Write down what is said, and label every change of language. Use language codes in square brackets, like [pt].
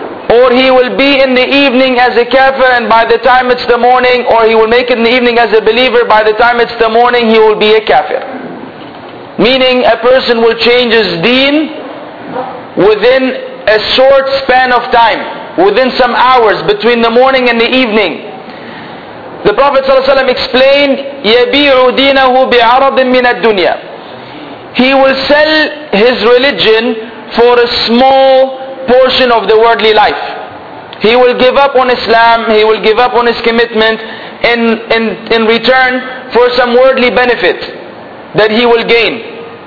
[en] Or he will be in the evening as a kafir, and by the time it's the morning, or he will make it in the evening as a believer, by the time it's the morning, he will be a kafir. Meaning, a person will change his deen within a short span of time, within some hours between the morning and the evening. The Prophet ﷺ explained, [ar] يَبِيعُ دِينَهُ بِعَرَضٍ مِّنَ الدُّنْيَا. [en] He will sell his religion for a small portion of the worldly life. He will give up on Islam, he will give up on his commitment in return for some worldly benefit that he will gain.